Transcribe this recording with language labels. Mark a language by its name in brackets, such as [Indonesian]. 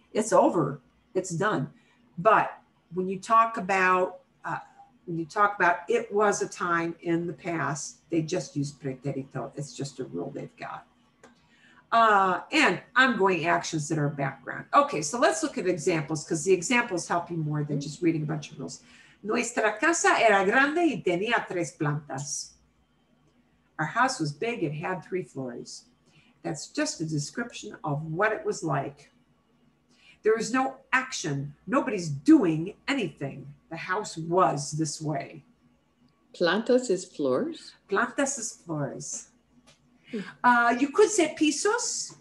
[English] It's over, it's done. But when you talk about it was a time in the past, they just use pretérito. It's just a rule they've got. And ongoing actions that are background. Okay, so let's look at examples because the examples help you more than just reading a bunch of rules. [Spanish] Nuestra casa era grande y tenía tres plantas. [English] Our house was big and had three floors. That's just a description of what it was like. There is no action. Nobody's doing anything. The house was this way. Plantas is floors? Plantas is floors. You could say pisos.